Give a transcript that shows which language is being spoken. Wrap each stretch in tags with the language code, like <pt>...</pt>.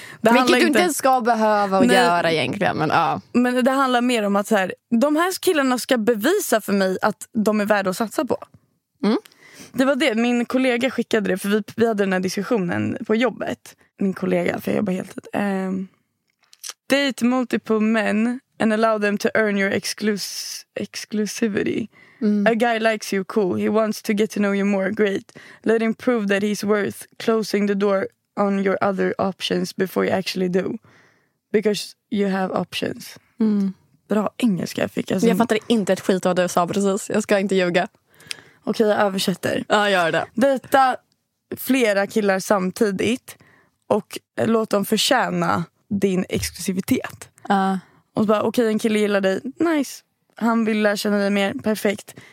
<sv>Det vilket du inte ska behöva att göra egentligen, men ja. Men det handlar mer om att så här, de här killarna ska bevisa för mig att de är värda att satsa på. Det var det, min kollega skickade det, för vi hade den här diskussionen på jobbet. Min kollega, för jag jobbar helt tätt.</sv> <en>Date multiple men and allow them to earn your exclusivity. Mm. A guy likes you, cool. He wants to get to know you more, great. Let him prove that he's worth closing the door on your other options before you actually do. Because you have options. Mm.</en> <sv>Bra engelska jag fick. Alltså. Jag fattar inte ett skit vad du sa precis. Jag ska inte ljuga. Okej, jag översätter. Ja, gör det. Dejta flera killar samtidigt. Och låt dem förtjäna din exklusivitet. Och bara, okej, en kille gillar dig. Nice. Han vill lära känna dig mer, perfekt.</sv>